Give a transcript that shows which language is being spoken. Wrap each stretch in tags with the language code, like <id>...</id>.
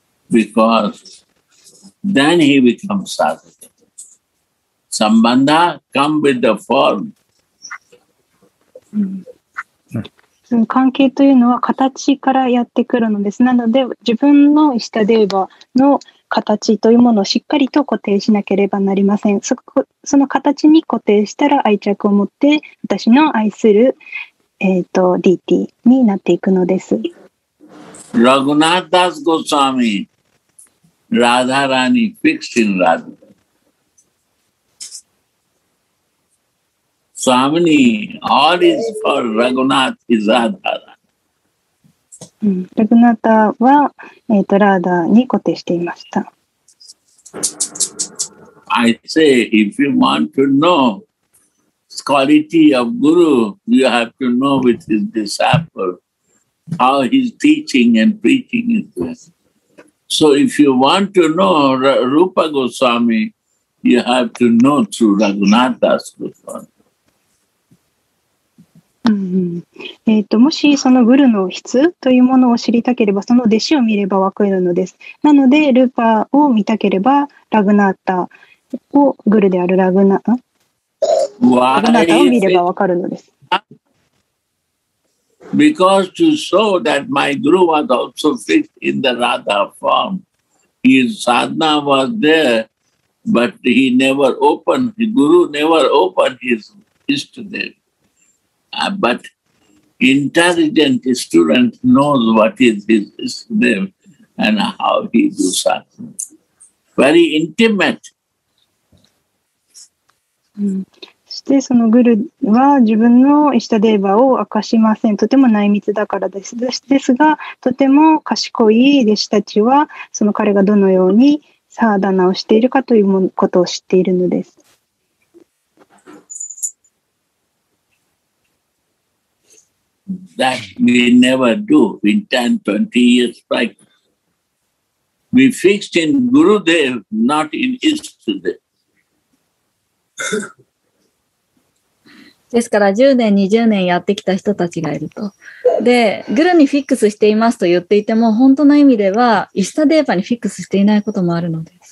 <en>Because then he becomes sadhu. Sambandha come with the form.</en> <ja>関係というのは形からやってくるのです。なので自分のイシタデーバの形というものをしっかりと固定しなければなりません。その形に固定したら愛着を持って私の愛する、ディーティーになっていくのです。ラグナーダスゴスワミ、ラダラニフィクシンラダ。</ja> <en>Swamini, all is for Raghunath, is Radha.</en> <ja>Raghunatha は Radha に固定していました。</ja> <en>I say, if you want to know quality of Guru, you have to know with his disciple how his teaching and preaching is this. So if you want to know Rupa Goswami, you have to know through Raghunatha's Goswami.</en> <ja>うん、もしそのグルの質というものを知りたければその弟子を見ればわかるのです。なのでルーパーを見たければラグナータをグルであるラグナラグナータを見ればわかるのです。</ja> <en>Because to show that my guru was also fit in the Radha form, his sadhana was there, but he never opened, the guru never opened his list to them. But intelligent student knows what is his name and how he does that. Very intimate.</en> <ja>そしてそのグルは自分のイシタデーバを明かしません。とても内密だからです。ですが、とても賢い弟子たちは、その彼がどのようにサーダナをしているかということを知っているのです。</ja> <en>That we never do in 10, 20 years practice. We fixed in Gurudev, not in Ishtadev.</en> <ja>ですから10年、20年やってきた人たちがいると。で、グルにフィックスしていますと言っていても、本当の意味では、イシタデーバにフィックスしていないこともあるので。</ja>